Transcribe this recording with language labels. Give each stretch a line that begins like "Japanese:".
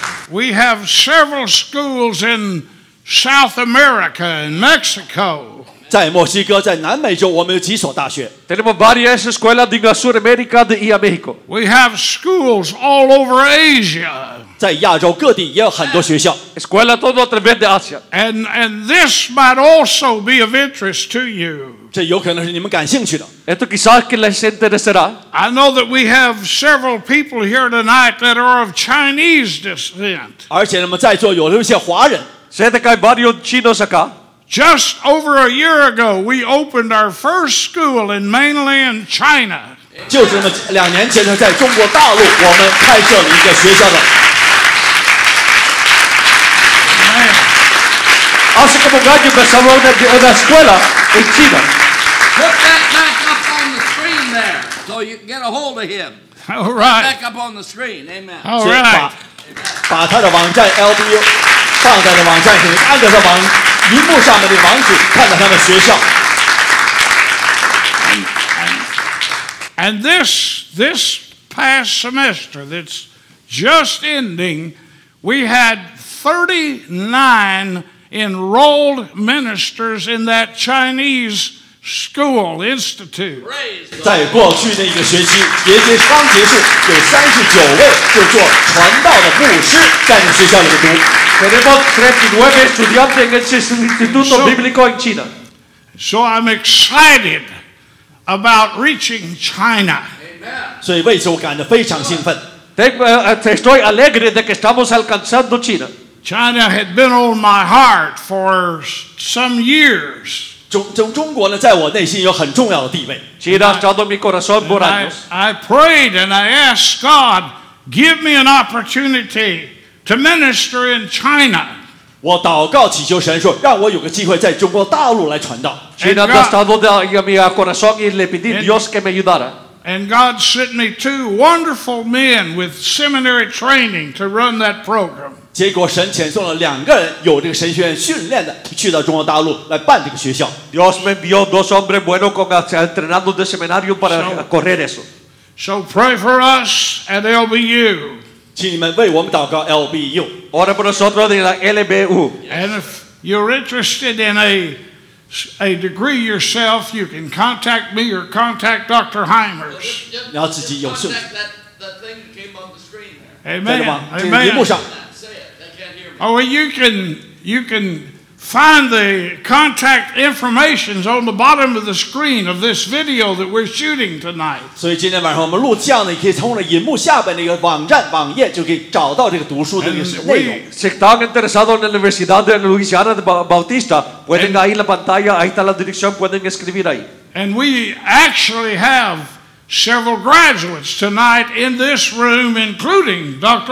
English: We have several schools in South America and Mexico.
Chinese: 在墨西哥，在南美洲，我们有几所大学。
Spanish: Tenemos varias escuelas en Sudamérica y México.
English: We have schools all over Asia.
Chinese: 在亚洲各地也有很多学校。
Spanish: Escuela todo a través de Asia.
English: And this might also be of interest to you.
Chinese: 这有可能是你们感兴趣的。
Spanish: Esto quizás que les interesará.
English: I know that we have several people here tonight that are of Chinese descent.
Chinese: 而且我们在座有一些华人。
Spanish: Sé que hay varios chinos acá.
English: Just over a year ago, we opened our first school in mainland China.
Chinese: 就是那么两年前呢，在中国大陆，我们开设了一个学校的。
Spanish: Hace como un año empezamos una escuela en China.
English: Put that back up on the screen there, so you can get a hold of him. All right. Back up on the screen, amen. All right.
Chinese: 把他的网站 LBU 放在了网站上，按着他网屏幕上面的网址，看到他的学校。
English: And this past semester that's just ending, we had 39. Enrolled ministers in that Chinese school institute.
Chinese: 在过去的一个学期，学期刚结束，有39位就做传道的牧师，在那学校里读。
Spanish: Tenemos 39 estudiantes en el instituto bíblico en China.
English: So I'm excited about reaching China.
Chinese: 所以为此我感到非常兴奋。
Spanish: Estoy alegre de que estamos alcanzando China.
English: China had been on my heart for some years.
Chinese: 中国呢，在我内心有很重要的地位。
Spanish: China ha estado en mi corazón por años.
English: I prayed and I asked God, give me an opportunity to minister in China.
Chinese: 我祷告祈求神说，让我有个机会在中国大陆来传道。
Spanish: China ha estado en mi corazón y le pedí Dios que me ayudara.
English: And God sent me two wonderful men with seminary training to run that program.
Chinese: 结果神遣送了两个人有这个神学院训练的去到中国大陆来办这个学校。
Spanish: Dios me envió dos hombres buenos con entrenando de seminario para correr eso.
English: So pray for us at LBU.
Chinese: 请你们为我们祷告 LBU.
Spanish: Ora por nosotros en la LBU.
English: And if you're interested in a degree yourself, you can contact me or contact Dr. Heimers. You have to contact that thing that came on the screen there. Amen. Amen. Oh, you can find the contact information on the bottom of the screen of this video that we're shooting tonight.
Chinese: 所以今天晚上我们录像呢，可以从荧幕下边的一个网站网页就可以找到这个读书的内容。
Spanish: Si están interesados en la Universidad de Luisiana de Bautista, pueden ahí en la pantalla, ahí está la dirección, pueden escribir ahí.
English: And we actually have. Several graduates tonight in this room, including Dr.